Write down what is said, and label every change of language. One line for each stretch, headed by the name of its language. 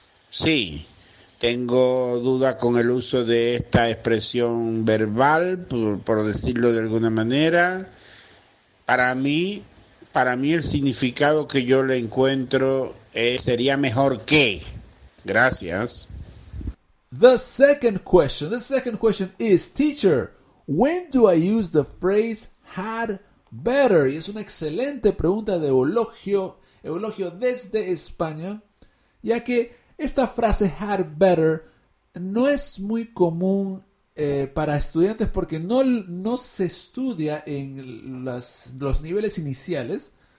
Spanish: Sí, tengo duda con el uso de esta expresión verbal, por decirlo de alguna manera. Para mí el significado que yo le encuentro sería mejor que. Gracias.
English: The second question is, teacher, when do I use the phrase had better?
Spanish: Y es una excelente pregunta de Eulogio desde España, ya que esta frase had better no es muy común para estudiantes porque no se estudia en los niveles iniciales.